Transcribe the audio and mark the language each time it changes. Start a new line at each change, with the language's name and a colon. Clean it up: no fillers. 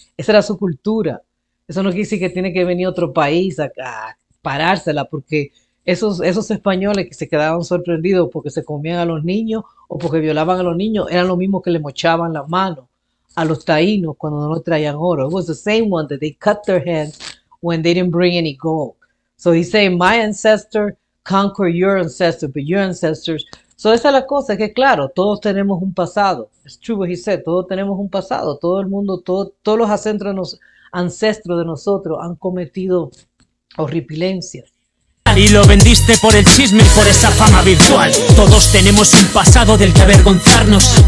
Spanish: Esa era su cultura. Eso no quiere decir que tiene que venir otro país a parársela. Porque esos españoles que se quedaban sorprendidos porque se comían a los niños o porque violaban a los niños, eran los mismos que le mochaban las manos a los taínos cuando no traían oro.
English: It was the same one that they cut their hands when they didn't bring any gold. So he said, my ancestor conquered your ancestor, but your ancestors.
Spanish: So esa es la cosa, que claro, todos tenemos un pasado.
English: It's true what he said,
Spanish: todos tenemos un pasado. Todo el mundo, todos los ancestros de nosotros han cometido horripilencias. Y lo vendiste por el chisme y por esa fama virtual. Todos tenemos un pasado del que avergonzarnos.